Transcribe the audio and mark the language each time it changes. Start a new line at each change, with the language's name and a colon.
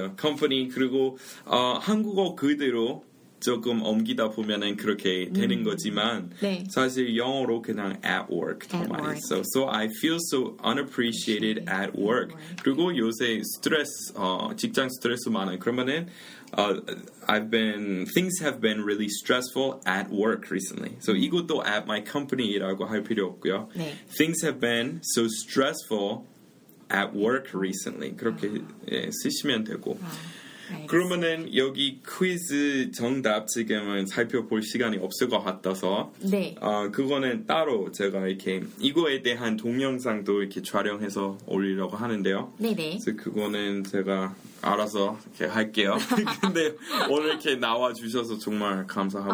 Korean: 맞아요. Company 그리고 한국어 그대로 조금 옮기다 보면은 그렇게 되는 거지만 네. 사실 영어로 그냥 at work 더 많이 써.
English: So I feel so unappreciated at work.
Korean: 그리고 요새 스트레스 직장 스트레스 많아요.
English: 그러면은 things have been really stressful at work recently.
Korean: So 이것도 at my company라고 할 필요 없고요. 네.
English: Things have been so stressful at work recently.
Korean: 그렇게 예, 쓰시면 되고. 그러면은 여기 퀴즈 정답 지금은 살펴볼 시간이 없을 것 같아서 네. 그거는 따로 제가 이렇게 이거에 대한 동영상도 이렇게 촬영해서 올리려고 하는데요. 네네. 그래서 그거는 제가 알아서 이렇게 할게요. 근데 오늘 이렇게 나와주셔서 정말 감사하고요.